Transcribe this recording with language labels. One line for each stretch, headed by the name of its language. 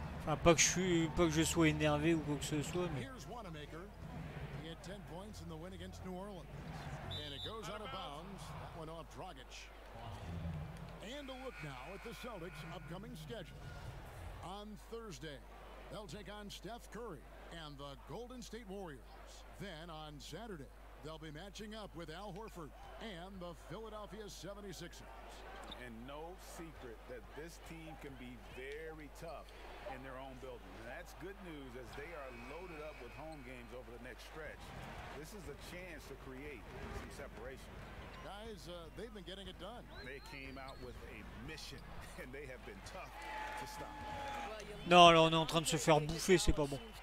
French: Ah, pas que je sois énervé ou quoi que ce soit, mais.
English: Here's Wanamaker. He had 10 points in the win against New Orleans. And it goes out of bounds. That went off Dragic. And a look now at the Celtics' upcoming schedule. on Thursday. They'll take on Steph Curry and the Golden State Warriors. Then on Saturday, they'll be matching up with Al Horford and the Philadelphia 76ers. And no secret that this team can be very tough in their own building. And that's good news as they are loaded up with home games over the next stretch. This is a chance to create some separation. Guys, they've been getting it done. They came out with a mission, and they have been tough to stop.
French: Non, là, on est en train de se faire bouffer, c'est pas bon.